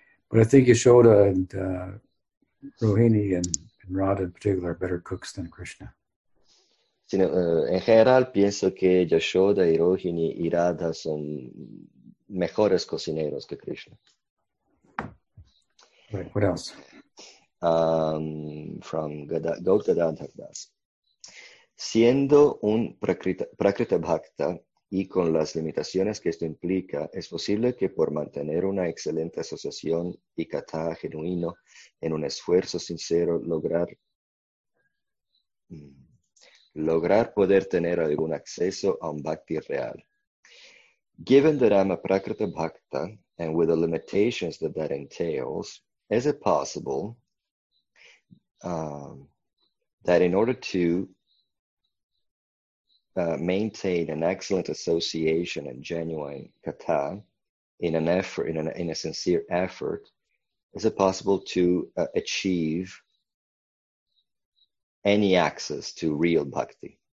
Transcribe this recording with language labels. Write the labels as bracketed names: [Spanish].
[English] But I think Yashoda and Rohini and Radha in particular are better cooks than Krishna. [Spanish] Sino, en general, pienso que Yashoda, Rohini y Radha son mejores cocineros que Krishna. [English] Right, what else? From Gautadhar Das. [Spanish] Siendo un Prakrita Bhakta y con las limitaciones que esto implica, es posible que por mantener una excelente asociación y katha genuino en un esfuerzo sincero, lograr poder tener algún acceso a un bhakti real. [English] Given that I'm a Prakrita Bhakta and with the limitations that that entails, is it possible that in order to maintain an excellent association and genuine katha in an effort, in a sincere effort, is it possible to achieve any access to real bhakti?